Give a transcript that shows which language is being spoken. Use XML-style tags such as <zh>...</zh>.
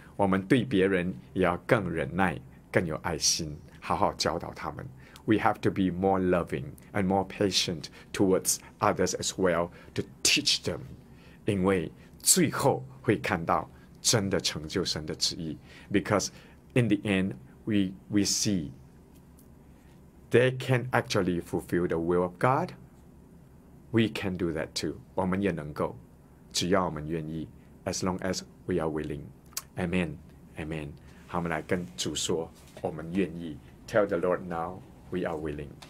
<zh>我们对别人也要更忍耐，更有爱心，好好教导他们。</zh> <en>We have to be more loving and more patient towards others as well to teach them.</en> <zh>因为最后会看到真的成就神的旨意。</zh> <en>Because in the end, we see they can actually fulfill the will of God. We can do that too.</en> <zh>我们也能够，只要我们愿意。</zh> <en>As long as we are willing. Amen. Amen.</en> <zh>好，我们来跟主说，我们愿意。</zh> <en>Tell the Lord now, we are willing.</en>